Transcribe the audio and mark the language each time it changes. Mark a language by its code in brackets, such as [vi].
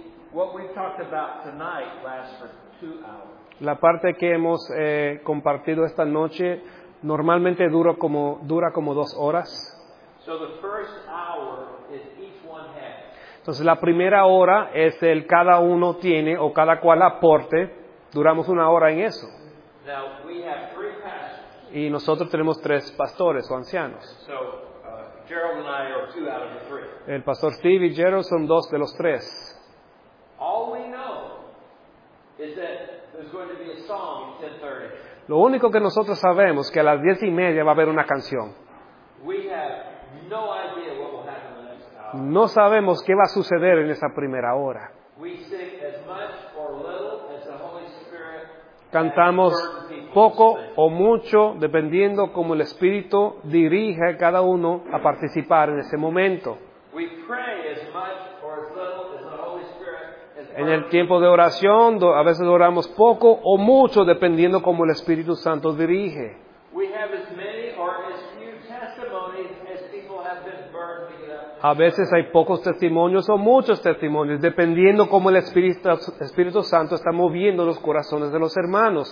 [en] What we talked about tonight lasts for 2 hours. [es] La parte que hemos compartido esta noche normalmente dura como 2 horas. [en] So the first hour is each one has. [es] Entonces la primera hora es el cada uno tiene o cada cual aporte. Duramos 1 hora en eso. [en] Now we have 3 pastors. [es] Y nosotros tenemos 3 pastores o ancianos. [en] So, Gerald and I are 2 out of the 3. [es] El pastor Steve y Gerald son 2 de los 3. [en] All we know is that there's going to be a song at 10:30. [es] Lo único que nosotros sabemos es que a las 10:30 va a haber una canción. [en] We have no idea what will happen in the next hour. [es] No sabemos qué va a suceder en esa primera hora. [en] We sing as much or little as the Holy Spirit. [es] Cantamos poco o mucho, dependiendo cómo el Espíritu dirige a cada uno a participar en ese momento. [en] We pray as much or as little as the Holy Spirit. [es] En el tiempo de oración, a veces oramos poco o mucho, dependiendo cómo el Espíritu Santo dirige. [en] We have as many or as few testimonies as people have been burned to get up. [es] A veces hay pocos testimonios o muchos testimonios, dependiendo cómo el Espíritu Santo está moviendo los corazones de los hermanos.